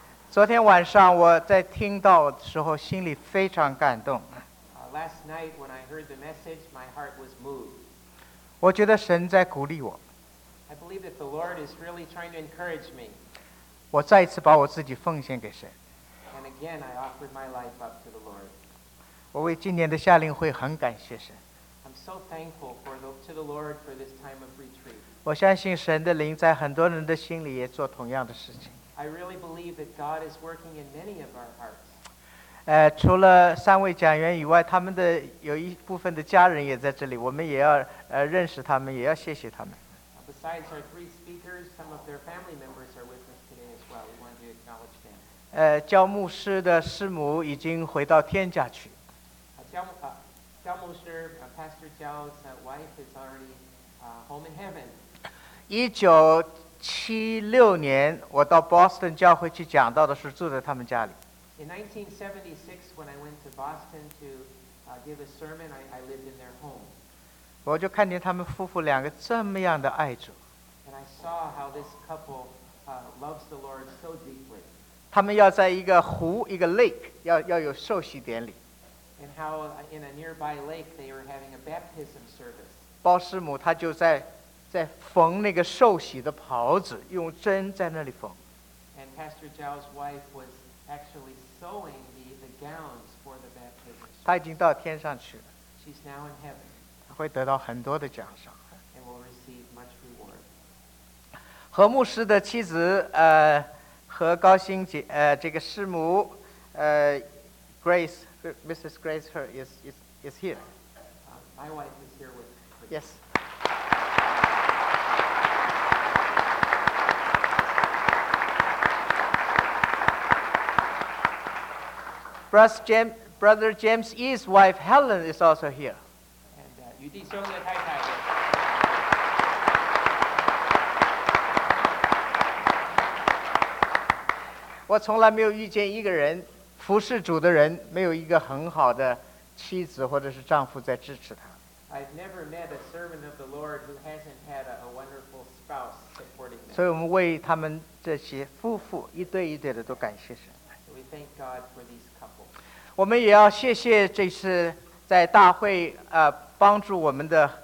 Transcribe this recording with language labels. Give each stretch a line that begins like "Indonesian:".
Chinese: 昨天晚上我在听到的时候，心里非常感动。
English: Last night when I heard the message, my heart was moved.
Chinese: 我觉得神在鼓励我。
English: I believe that the Lord is really trying to encourage me.
Chinese: 我再一次把我自己奉献给神。
English: And again, I offered my life up to the Lord.
Chinese: 我为今年的夏令会很感谢神。
English: I'm so thankful to the Lord for this time of retreat.
Chinese: 我相信神的灵在很多人的心里也做同样的事情。
English: I really believe that God is working in many of our hearts.
Chinese: 除了三位讲员以外，他们的有一部分的家人也在这里，我们也要认识他们，也要谢谢他们。
English: Besides our three speakers, some of their family members are with us today as well. We want to acknowledge them.
Chinese: 教牧师的师母已经回到天家去。教牧师
English: Pastor Zhao's wife is already home in heaven.
Chinese: 1976年我到 Boston 教会去讲道的时候住在他们家里。
English: In 1976, when I went to Boston to give a sermon, I lived in their home.
Chinese: 我就看见他们夫妇两个这么样的爱主。
English: And I saw how this couple loves the Lord so deeply.
Chinese: 他们要在一个湖，一个 lake, 要有受洗典礼。
English: And how in a nearby lake they were having a baptism service.
Chinese: 包师母他就在缝那个受洗的袍子，用针在那里缝。
English: And Pastor Zhao's wife was actually sewing the gowns for the baptism.
Chinese: 她已经到天上去了。
English: She's now in heaven.
Chinese: 她会得到很多的奖赏。
English: And will receive much reward.
Chinese: 何牧师的妻子何高兴姐这个师母Grace, Mrs.
English: Grace Her is here. My wife is here with me. Yes. Brother James E's wife Helen is also here. And you did so good, hi, hi. I
Chinese: 从来没有遇见一个人服侍主的人没有一个很好的妻子或者是丈夫在支持他。
English: I've never met a servant of the Lord who hasn't had a wonderful spouse supporting them.
Chinese: 所以我们为他们这些夫妇一对一对的都感谢神。
English: We thank God for these.
Chinese: 我们也要谢谢这次在大会帮助我们的